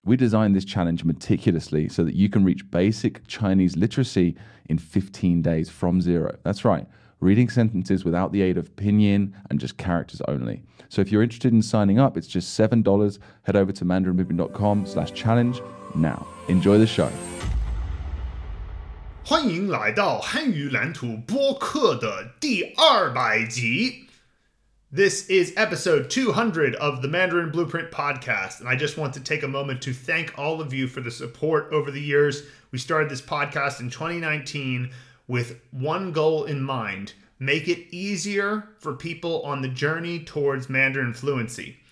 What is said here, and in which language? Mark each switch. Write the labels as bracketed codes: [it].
[en] We designed this challenge meticulously so that you can reach basic Chinese literacy in 15 days from zero. That's right, reading sentences without the aid of pinyin and just characters only. So if you're interested in signing up, it's just $7. Head over to mandarinblueprint.com/challenge now. Enjoy the show. [zh] 欢迎来到汉语蓝图播客的第200集。 [en] This is episode 200 of the Mandarin Blueprint podcast, and I just want to take a moment to thank all of you for the support over the years. We started this podcast in 2019 with one goal in mind: make it easier for people on the journey towards Mandarin fluency.